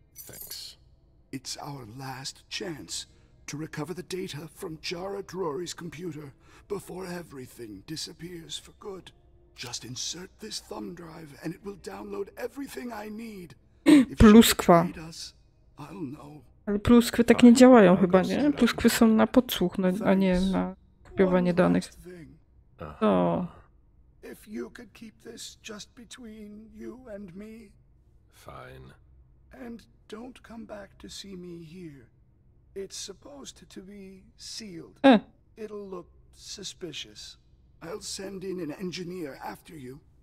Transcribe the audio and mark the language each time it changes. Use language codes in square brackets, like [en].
[en] Thanks. It's our last chance to recover the data from Jara Drury's computer before everything disappears for good. Just insert this thumb drive and it will download everything I need. [pl] Pluskwa. [en] Us, I'll know. [pl] Ale pluskwy tak nie działają chyba, nie? Pluskwy są na podsłuch, no, a nie na kopiowanie danych. To. [en] If you could keep this just between you and me. Fine. And don't come back to see me here. It's supposed to be sealed. It'll look suspicious. I'll send in an engineer after you.